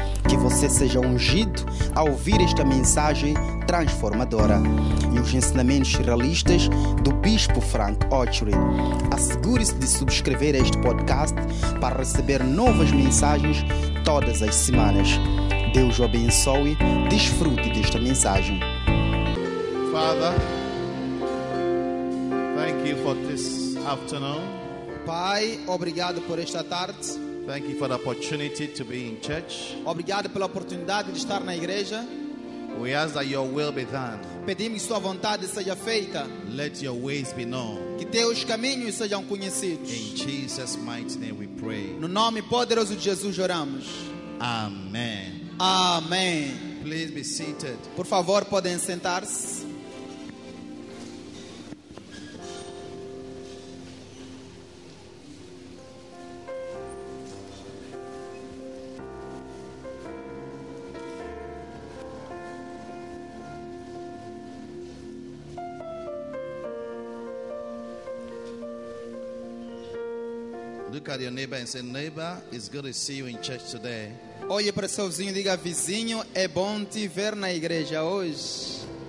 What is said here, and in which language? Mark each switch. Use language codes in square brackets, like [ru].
[pt] Que você seja ungido a ouvir esta mensagem transformadora e os ensinamentos realistas do Bispo Frank Ochoa. Assegure-se de subscrever este podcast para receber novas mensagens todas as semanas. Deus o abençoe. Desfrute desta mensagem. [en] Father, thank you for this afternoon. [pt] Pai, obrigado por esta tarde. [en] Thank you for the opportunity to be in church. [pt] Obrigado pela oportunidade de estar na igreja. [en] We ask that your will be done. [pt] Pedimos que sua vontade seja feita. [en] Let your ways be known. [pt] Que teus caminhos sejam conhecidos. [en] In Jesus' mighty name we pray. [pt] No nome poderoso de Jesus oramos. [en] Amen. [pt] Amen. [en] Please be seated. [pt] Por favor, podem sentar-se. [en] Look at your neighbor and say, neighbor, it's good to see you in church today. [pt] Olhe para seu vizinho, diga, vizinho, é bom te ver na igreja hoje.